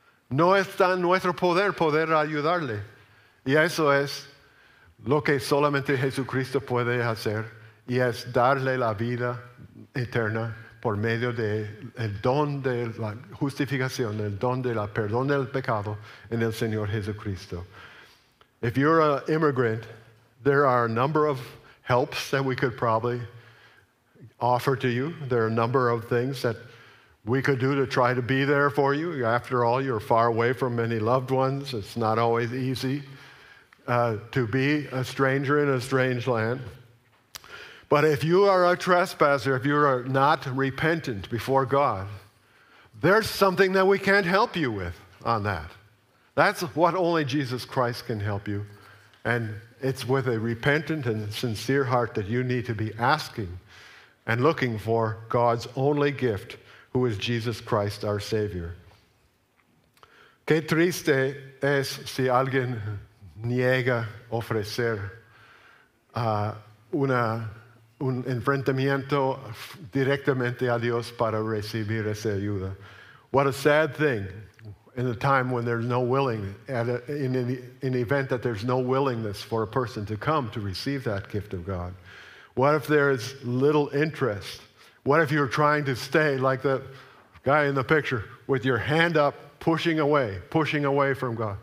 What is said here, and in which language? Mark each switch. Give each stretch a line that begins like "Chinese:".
Spanish: No está en nuestro poder poder ayudarle. Y eso es lo que solamente Jesucristo puede hacer, y es darle la vida eterna por medio del don de la justificación, el don del perdón del pecado en el Señor Jesucristo.
English: If you're an immigrant, there are a number of helps that we could probably offer to you. There are a number of things that we could do to try to be there for you. After all, you're far away from many loved ones. It's not always easy to be a stranger in a strange land. But if you are a trespasser, if you are not repentant before God, there's something that we can't help you with on that. That's what only Jesus Christ can help you. And it's with a repentant and sincere heart that you need to be asking and looking for God's only gift, who is Jesus Christ, our Savior.
Spanish: Qué triste es si alguien niega ofrecer un enfrentamiento directamente a Dios para recibir esa ayuda.
English: What a sad thing in a time when there's no willingness, in an event that there's no willingness for a person to come to receive that gift of God. What if there is little interest? What if you're trying to stay like the guy in the picture with your hand up, pushing away from God?